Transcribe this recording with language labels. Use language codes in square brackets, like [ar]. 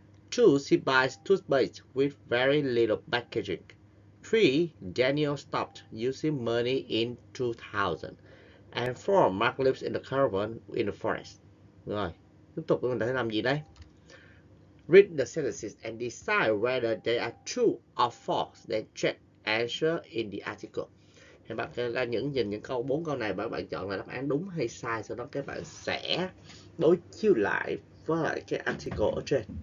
[en] Two, she buys toothpaste with very little packaging. Three, Daniel stopped using money in 2000. And four, Mark lives in the caravan in the forest. [vi] Rồi, tiếp tục mình thấy làm gì đây? [en] Read the sentences and decide whether they are true or false. Then check answer in the article. [vi] Thì bạn ra những câu bốn câu này, bạn chọn là đáp án đúng hay sai, sau đó các bạn sẽ đối chiếu lại với cái article ở trên.